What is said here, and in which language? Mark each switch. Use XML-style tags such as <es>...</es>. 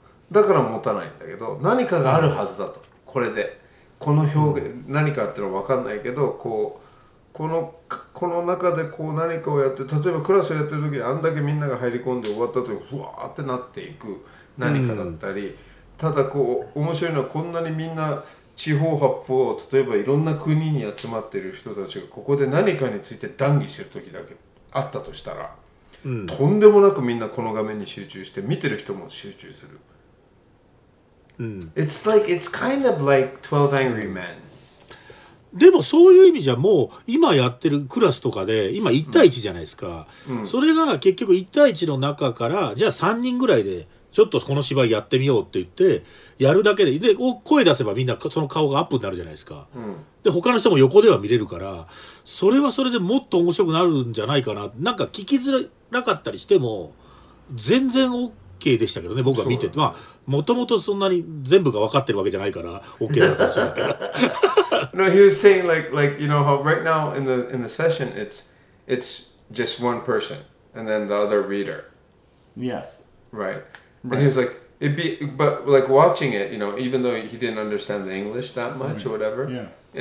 <ja>だから持たないんだけど何かがあるはずだと、これでこの表現、うん、何かってのは分かんないけどこうこの中でこう何かをやって例えばクラスをやってる時にあんだけみんなが入り込んで終わった時にふわーってなっていく何かだったり、うん、ただこう面白いのはこんなにみんな地方八方を例えばいろんな国に集まってる人たちがここで何かについて談議してる時だけあったとしたら、うん、とんでもなくみんなこの画面に集中して見てる人も集中する、うん、</ja> <en>It's like it's kind of like 12 Angry Men。</en> <ja>でもそういう意味じゃもう今やってるクラスとかで今1対1じゃないですか、うんうん、それが結局1対1の中からじゃあ3人ぐらいでちょっとこの芝居やってみようって言ってやるだけで、で声出せばみんなその顔がアップになるじゃないですか、うん、で他の人も横では見れるからそれはそれでもっと面白くなるんじゃないかな、なんか聞きづらかったりしても全然 OK でしたけどね僕は見てて、まあもともとそんなに全部が分かってるわけじゃないから OK だったんですけど。</ja> <en>No, he was saying like you know how right now in the session it's just one person and then the other reader. Yes. Right. And he was like it'd be but like watching it, you know, even though he didn't understand the English that much or whatever. Yeah.</en>